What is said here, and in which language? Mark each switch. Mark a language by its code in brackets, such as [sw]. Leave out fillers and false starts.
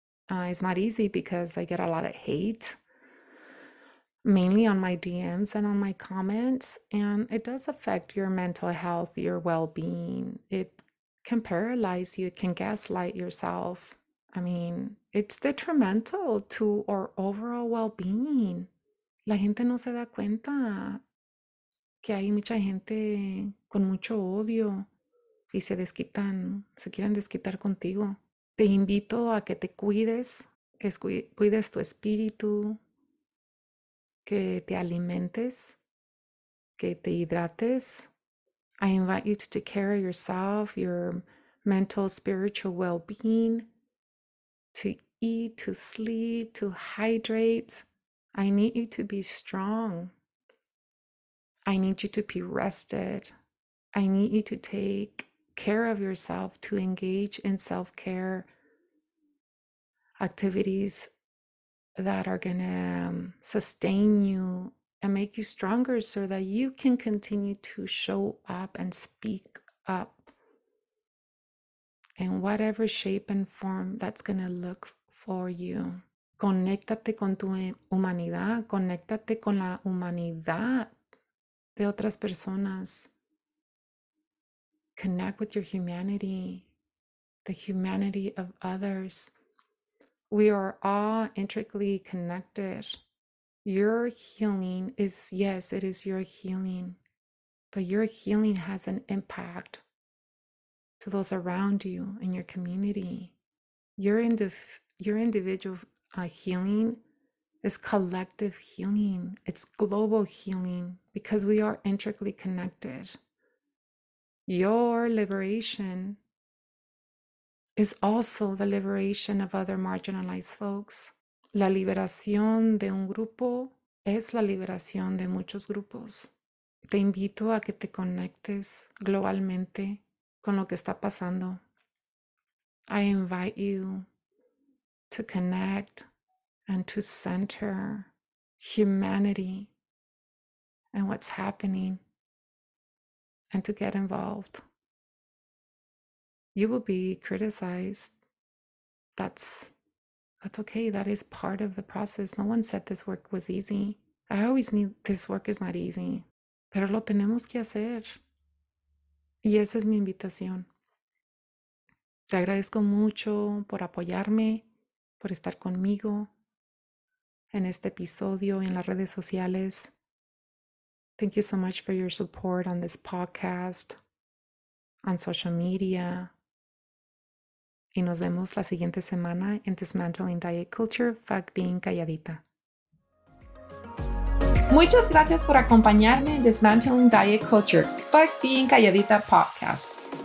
[en] It's not easy because I get a lot of hate, mainly on my DMs and on my comments, and it does affect your mental health, your well-being. It can paralyze you, it can gaslight yourself. I mean, it's detrimental to our overall well-being. [es] La gente no se da cuenta que hay mucha gente con mucho odio y se desquitan, se quieren desquitar contigo. Te invito a que te cuides, que cuides tu espíritu, que te alimentes, que te hidrates. [en] I invite you to take care of yourself, your mental, spiritual well-being, to eat, to sleep, to hydrate. I need you to be strong. I need you to be rested. I need you to take care of yourself, to engage in self-care activities that are gonna sustain you and make you stronger so that you can continue to show up and speak up in whatever shape and form that's gonna look for you. [es] Conéctate con tu humanidad, conéctate con la humanidad de otras personas. [en] Connect with your humanity, the humanity of others. We are all intricately connected. Your healing is, yes, it is your healing, but your healing has an impact to those around you and your community. Your individual healing is collective healing. It's global healing because we are intricately connected. Your liberation is also the liberation of other marginalized folks. [es] La liberación de un grupo es la liberación de muchos grupos. Te invito a que te conectes globalmente con lo que está pasando. [en] I invite you to connect and to center humanity and what's happening and to get involved. You will be criticized. That's okay. That is part of the process. No one said this work was easy. I always knew this work is not easy. [es] Pero lo tenemos que hacer. Y esa es mi invitación. Te agradezco mucho por apoyarme, por estar conmigo en este episodio y en las redes sociales. [en] Thank you so much for your support on this podcast, on social media. [es] Y nos vemos la siguiente semana en Dismantling Diet Culture, Fuck Being Calladita. Muchas gracias por acompañarme en Dismantling Diet Culture, Fuck Being Calladita podcast.